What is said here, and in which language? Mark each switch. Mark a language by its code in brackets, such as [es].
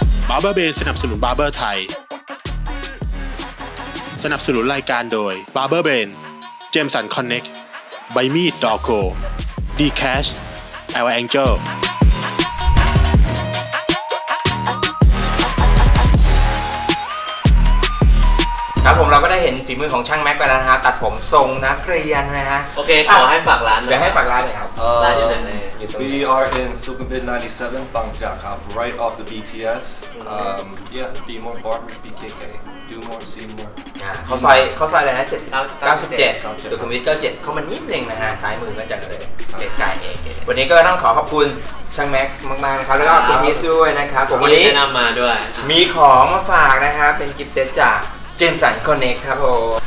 [th] บาร์เบอร์สนับสนุนบาร์เบอร์ไทยสนับสนุนรายการโดยบาร์เบอร์เบนเจมสันคอนเน็กต์ไบมี่ดอโคดีแคชแอลแองเจิล ครับผมเราก็ได้เห็นฝีมือของช่างแม็กไปแล้วนะฮะตัดผมทรงนักเรียนนะฮะ โอเคขอให้ฝากร้านนะครับ เดี๋ยวให้ฝากร้านหน่อยครับ ร้านอยู่ไหน [en] We are in Sukhumvit 97, Bangjakhap, right off the BTS. Be more barbers, be KK. Do more, see more. [th] เขาใส่อะไรนะ797 Sukhumvit 97เขามันนิ่มเองนะฮะซ้ายมือก็จัดเลยเก๋ไก่วันนี้ก็ต้องขอบคุณช่างแม็กซ์มากมากครับแล้วก็คุณพีซด้วยนะครับผม วันนี้แนะนำมาด้วย มีของมาฝากนะครับเป็นกิฟต์เซตจากเจมสันคอนเน็กต์ครับผม